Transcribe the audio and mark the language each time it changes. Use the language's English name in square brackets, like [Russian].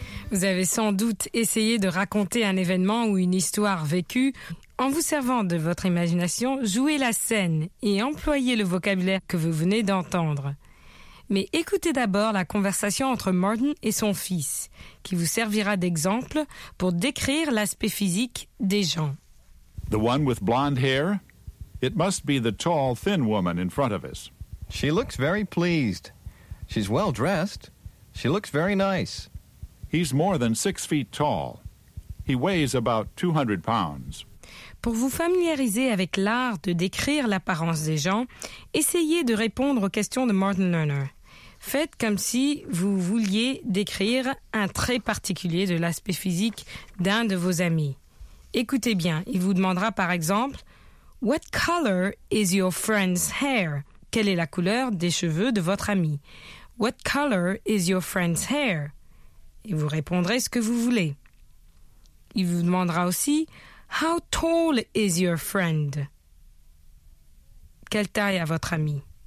[French] Vous avez sans doute essayé de raconter un événement ou une histoire vécue. En vous servant de votre imagination, jouez la scène et employez le vocabulaire que vous venez d'entendre. Mais écoutez d'abord la conversation entre Martin et son fils, qui vous servira d'exemple pour décrire l'aspect physique des gens. [English] The one with blonde hair? It must be the tall, thin woman in front of us. She looks very pleased. She's well dressed. She looks very nice. He's more than 6 feet tall. He weighs about 200 pounds. [French] Pour vous familiariser avec l'art de décrire l'apparence des gens, essayez de répondre aux questions de Martin Lerner. Faites comme si vous vouliez décrire un trait particulier de l'aspect physique d'un de vos amis. Écoutez bien, il vous demandera par exemple, [English] What color is your friend's hair? [French] Quelle est la couleur des cheveux de votre ami? [English] What color is your friend's hair? [French] Et vous répondrez ce que vous voulez. Il vous demandera aussi, [English] How tall is your friend? [French] Quelle taille a votre ami?